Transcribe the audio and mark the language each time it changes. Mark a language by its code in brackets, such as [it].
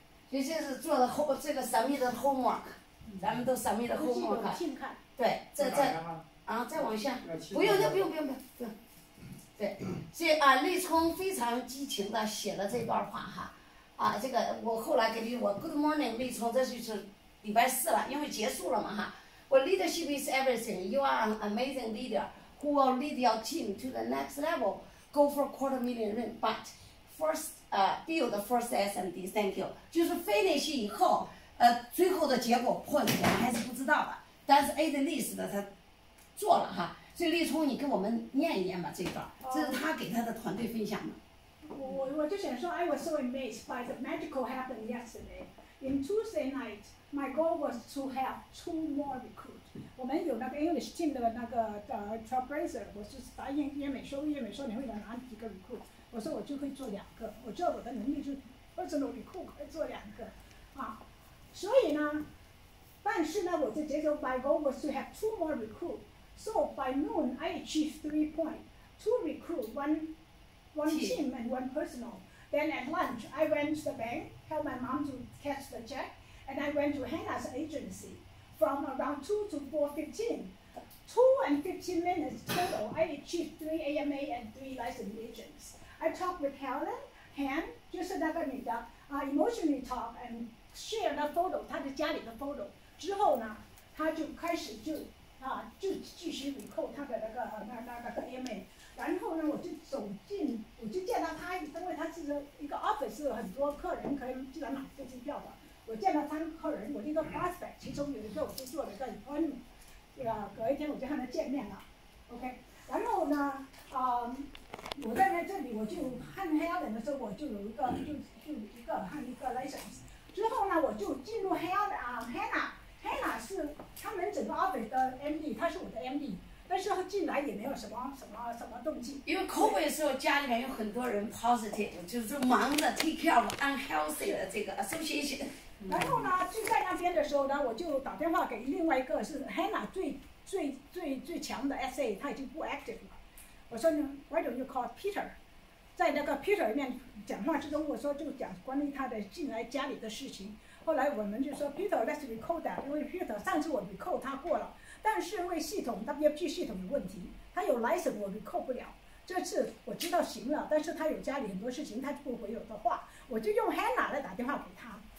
[zh] 所以这是做了这个神秘的 homework， 咱们都神秘的 homework， 对，再啊再往下，不用，那不用，对，所以啊，立春非常激情的写了这段话哈，啊，这个我后来给我 good morning 立春，这就是礼拜四了，因为结束了嘛哈，我 [en] leadership is everything， you are an amazing leader。 Who will lead your team to the next level? Go for $250,000 ring, but first, build the first SMD. Thank you. [zh] 就是 finish 以后，最后的结果破钱还是不知道的。但是 [en] at least [zh] 的他做了哈。所以立聪，你跟我们念一念吧这段，这是他给他的团队分享的。我就想说 [en] ，I was so amazed by the magical happened yesterday. In Tuesday night, my goal was to have 2 more recruits. [zh] 我们有那个 English team 的那个trailblazer， 我就是答应叶美说你会来拿几个 recruit， 我说我就会做两个，我知道我的能力就是 personal recruit 可以做两个，啊，所以呢，但是呢，我的结果 [en] my goal was to have 2 more recruit， so by noon I achieved 3 points， 2 recruit， one team and one personal， then at lunch I went to the bank help my mom to cash the check， and I went to Hannah's agency。 From around 2 to 4:15, 2 and 15 minutes total, I achieved 3 AMA and 3 license agents. I talked with Helen, Han, just another meet up, emotionally talk and share the photo, [zh] 她的家里的 [en] photo. [zh] 之后呢，她就开始就继续 recall 她的那个 AMA. 然后呢，我就见到她，因为她是一个 office， 很多客人可以进来买飞机票的。我见了三个客人，我一个 prospect， 其中有一个我就做了一个 appointment， 隔一天我就和他见面了 ，OK， 然后呢，我站在这里，我就和 Helen 的时候，我就有一个就一个和一个 license， 之后呢，我就进入 Helen 啊 ，Hannah 是他们整个 office 的 MD， 他是我的 MD， 但是进来也没有什么动静，因为 COVID 的时候家里面有很多人 positive， 就是忙着 take care of unhealthy 的这个 association。然后呢，就在那边的时候呢，我就打电话给另外一个是 Hannah 最强的 SA， 他已经不 active 了。我说呢 [en] ，Why don't you call Peter？ [zh] 在那个 Peter 里面讲话之中，我说就讲关于他的进来家里的事情。后来我们就说 ， [en] Peter，let's recall that， [zh] 因为 Peter 上次我 recall 他过了，但是因为系统 WP 系统有问题，他有 license 我 recall 不了。这次我知道行了，但是他有家里很多事情，他不回我的话，我就用 Hannah 来打电话给他。